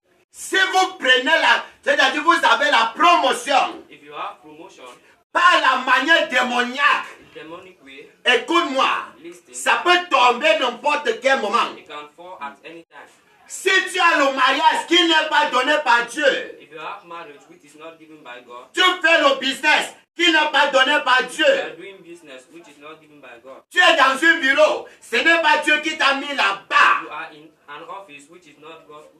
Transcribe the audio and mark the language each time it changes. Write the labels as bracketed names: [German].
[French] Si vous prenez la, c'est-à-dire vous avez la promotion, [English] if you have promotion [French] par la manière démoniaque, [English] demonic way, [French] écoute-moi, [English] listen, [French] ça peut tomber n'importe quel moment. [English] It can fall at any time. [French] Si tu as le mariage qui n'est pas donné par Dieu, [English] if you have marriage which is not given by God, [French] tu fais le business qui n'est pas donné par Dieu. [English] You are doing business which is not given by God. [French] Tu es dans un bureau, ce n'est pas Dieu qui t'a mis là-bas. [English] You are in an office which is not God.